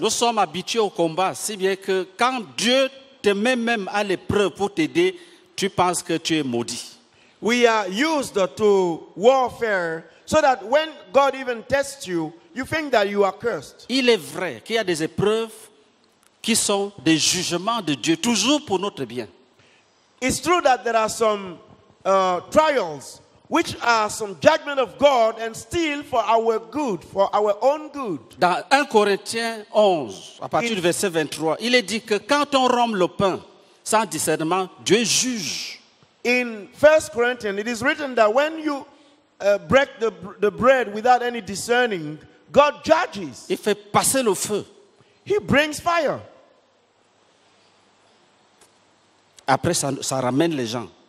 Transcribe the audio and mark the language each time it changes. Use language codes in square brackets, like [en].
[fr] Nous sommes habitués au combat, si bien que quand Dieu te met même à l'épreuve pour t'aider, tu penses que tu es maudit. [en] We are used to warfare so that when God even tests you, you think that you are cursed. [fr] Il est vrai qu'il y a des épreuves qui sont des jugements de Dieu, toujours pour notre bien. [en] It's true that there are some trials, which are some judgment of God, and still for our good, for our own good. [fr] Dans 1 Corinthiens 11, à partir du verset 23, il est dit que quand on rompt le pain sans discernement, Dieu juge. [en] In 1 Corinthians, it is written that when you break the bread without any discerning, God judges. [fr] Il fait passer le feu. [en] He brings fire. [fr] Après, ça ramène les gens.